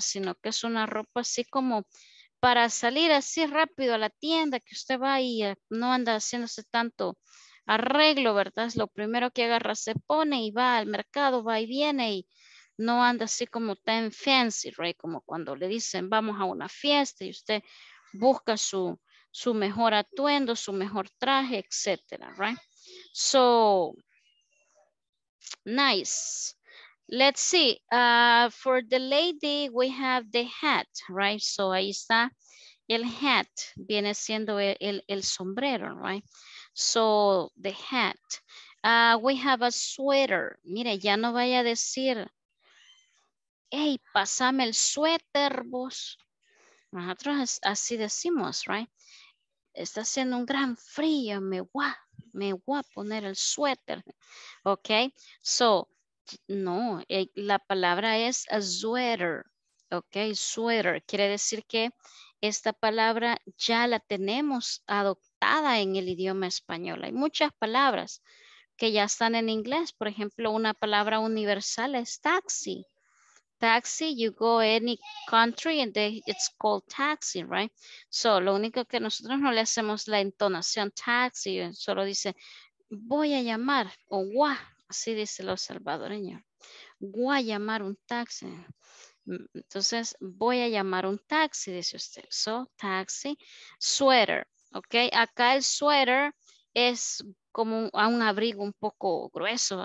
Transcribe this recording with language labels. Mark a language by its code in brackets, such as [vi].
[es] Sino que es una ropa así como para salir así rápido a la tienda, que usted va y no anda haciéndose tanto arreglo, ¿verdad? Es lo primero que agarra, se pone y va al mercado, va y viene y no anda así como tan fancy, right? Como cuando le dicen vamos a una fiesta y usted busca su mejor atuendo, su mejor traje, etcétera, right? [en] So, nice. Let's see, for the lady, we have the hat, right? [es] So ahí está el hat, viene siendo el sombrero, right? [en] So the hat, we have a sweater. [es] Mire, ya no vaya a decir, hey, pasame el suéter vos. Nosotros así decimos, right? Está haciendo un gran frío, me voy a poner el suéter, okay? So, no, la palabra es a sweater, ok, sweater, quiere decir que esta palabra ya la tenemos adoptada en el idioma español. Hay muchas palabras que ya están en inglés, por ejemplo, una palabra universal es taxi. [en] Taxi, you go any country and it's called taxi, right? [es] So, lo único que nosotros no le hacemos la entonación taxi, solo dice voy a llamar o guau. Así dice los salvadoreños. Voy a llamar un taxi. Entonces, voy a llamar un taxi, dice usted. So, taxi, sweater. Ok, acá el sweater es como un abrigo un poco grueso.